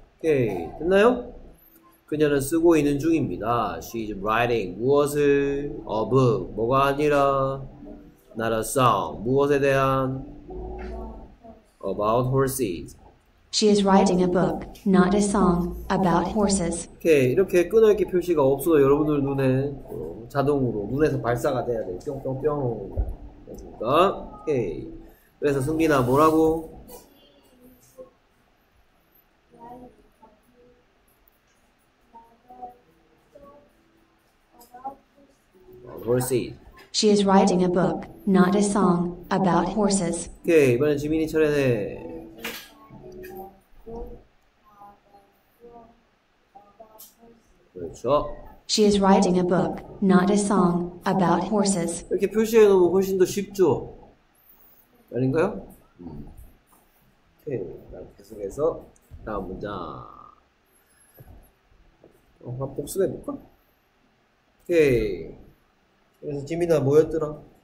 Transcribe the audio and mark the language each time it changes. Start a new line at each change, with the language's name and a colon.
Korean: 오케이, 됐나요? 그녀는 쓰고 있는 중입니다.
English: She is writing
Korean: 무엇을?
English: A book.
Korean: 뭐가 아니라
English: Not a song.
Korean: 무엇에 대한?
English: About horses. She is writing a book, not a song, about horses.
Korean: Okay, 이렇게 끊어있기 표시가 없어도 여러분들 눈에 자동으로 눈에서 발사가 돼야 돼. 뿅뿅뿅. 됐습니까? Okay. 그래서 승빈아 뭐라고?
English: horses. She is writing a book, not a song, about horses.
Korean: Okay, 이번엔 지민이 차례네. 그렇죠.
English: She is writing a book, not a song, about horses.
Korean: 이렇게 표시해놓으면 훨씬 더 쉽죠? 아닌가요? Okay, 계속해서 다음 문장. 한번 복습해볼까? Okay. 그래서 지민아 뭐였더라?